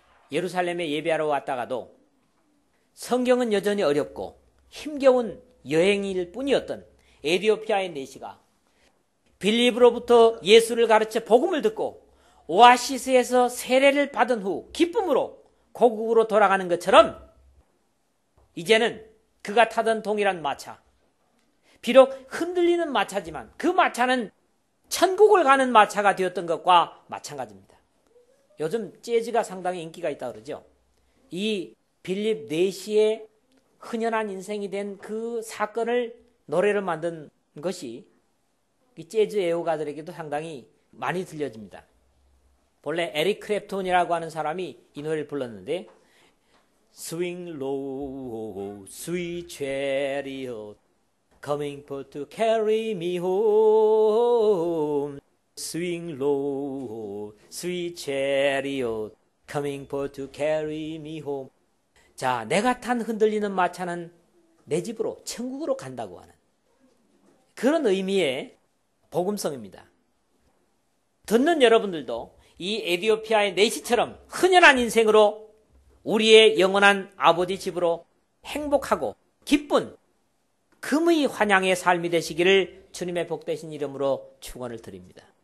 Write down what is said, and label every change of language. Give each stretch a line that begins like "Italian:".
Korean: 예루살렘에 예배하러 왔다가도 성경은 여전히 어렵고 힘겨운 여행일 뿐이었던 에티오피아의 내시가 빌립으로부터 예수를 가르쳐 복음을 듣고 오아시스에서 세례를 받은 후 기쁨으로 고국으로 돌아가는 것처럼 이제는 그가 타던 동일한 마차, 비록 흔들리는 마차지만 그 마차는 천국을 가는 마차가 되었던 것과 마찬가지입니다. 요즘 재즈가 상당히 인기가 있다 그러죠. 이 빌립 4시의 흔연한 인생이 된그 사건을 노래로 만든 것이 이 재즈 애호가들에게도 상당히 많이 들려집니다. 본래 에릭 크랩톤이라고 하는 사람이 이 노래를 불렀는데
English: Swing low, sweet chariot, coming for to carry me home. Swing low, sweet chariot, coming for to carry me home.
Korean: 자, 내가 탄 흔들리는 마차는 내 집으로, 천국으로 간다고 하는 그런 의미의 복음성입니다. 듣는 여러분들도 이 에티오피아의 내시처럼 흔연한 인생으로 우리의 영원한 아버지 집으로 행복하고 기쁜 금의 환향의 삶이 되시기를 주님의 복되신 이름으로 축원을 드립니다.